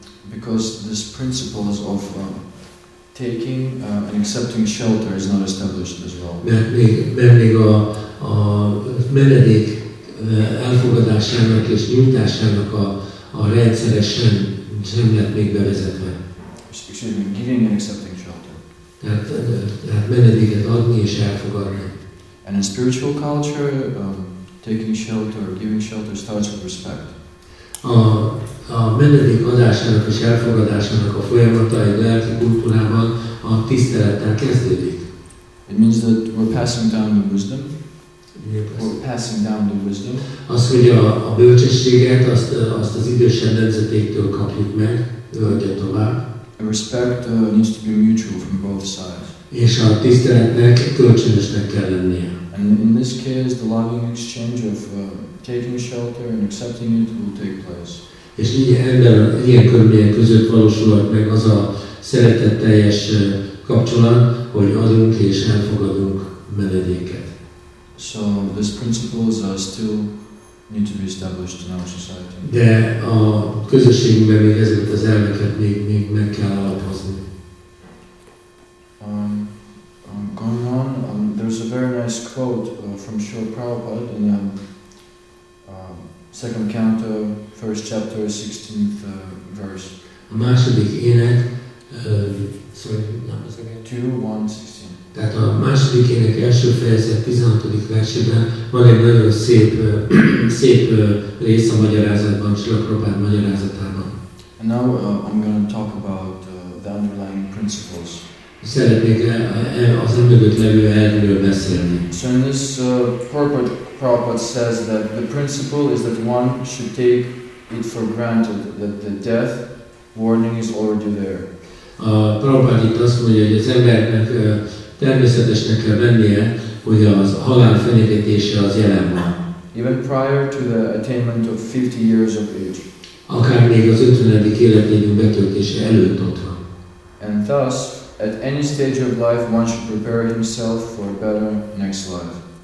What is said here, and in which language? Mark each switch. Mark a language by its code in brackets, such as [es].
[en] Because this principle of taking and accepting shelter is not established as well. [hu] Mert még a menedék elfogadásának és nyújtásának a rendszere sem lett még bevezetve. [en] Excuse me, giving and accepting shelter. [hu] Tehát menedéket adni és elfogadni. [en] And in spiritual culture, taking shelter or giving shelter starts with respect. [hu] A menedék adásának és elfogadásának a folyamata egy lelki kultúrában a tisztelettel kezdődik. [en] It means that we're passing down the wisdom. We're passing down the wisdom. [hu] Az, hogy a bölcsességet azt az idősebb nemzetéktől kapjuk meg, öltjük tovább. [en] A respect needs to be mutual from both sides. [hu] És a tiszteletnek kölcsönösnek kell lennie. [en] And in this case, the loving exchange of taking shelter and accepting it will take place. [hu] És ilyen körülmények között valósulhat meg az a szeretetteljes kapcsolat, hogy adunk és elfogadunk menedéket. [en] So these principles are still need to be established in our society. [hu] De a közösségünkben még ezeket az elveket még meg kell alapozni. [en] Going on, there's a very nice quote from Srila Prabhupada in second canto, first chapter, 16th verse. [hu] A második ének, 2:1:16. Tehát a második ének első fejezet 16. versében van egy nagyon szép szép rész a magyarázatban, Srila Prabhupada magyarázatában. [en] And now I'm going to talk about the underlying principles. [hu] Szeretnék az emögött levő erdőről beszélni. [en] So in this purport, Prabhupada says that the principle is that one should take it for granted that the death warning is already there. [hu] A Prabhupada itt azt mondja, hogy az embernek természetesnek kell vennie, hogy az halál fenyegetése az jelen van. [en] Even prior to the attainment of 50 years of age. [hu] Akár még az 50. életévünk betöltése előtt ott van. [en] And thus, at any stage of life, one should prepare himself for a better next life.